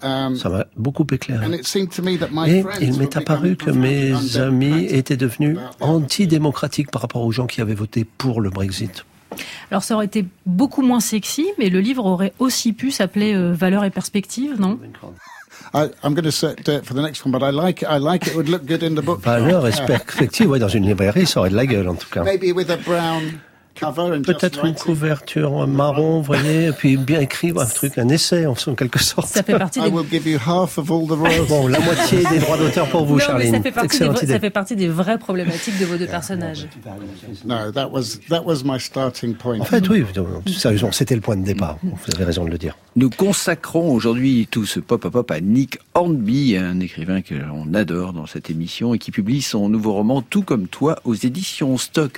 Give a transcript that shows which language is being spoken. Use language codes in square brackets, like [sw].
[fr] Ça m'a beaucoup éclairé. Et il m'est apparu que mes amis étaient devenus antidémocratiques par rapport aux gens qui avaient voté pour le Brexit. Alors, ça aurait été beaucoup moins sexy, mais le livre aurait aussi pu s'appeler « Valeurs et perspectives », non ? [en] I'm going to set it for the next one, but I like it. Would look good in the book. [fr] Valeurs et perspectives, ouais, dans une librairie, ça aurait de la gueule en tout cas. [en] Maybe with a brown cover and [fr] peut-être [en] just [fr] une couverture marron, vous voyez, et puis bien écrit, un truc, un essai en quelque sorte. Ça fait partie. [en] I will give you half of all the royalties. [fr] Bon, la moitié des droits d'auteur pour vous, Charline. Ça fait partie des vraies problématiques de vos deux personnages. [en] No, that was my starting point. [fr] En fait, oui, sérieusement, c'était le point de départ. Vous avez raison de le dire. Nous consacrons aujourd'hui tout ce pop-pop à Nick Hornby, un écrivain que l'on adore dans cette émission et qui publie son nouveau roman « Tout comme toi » aux éditions Stock.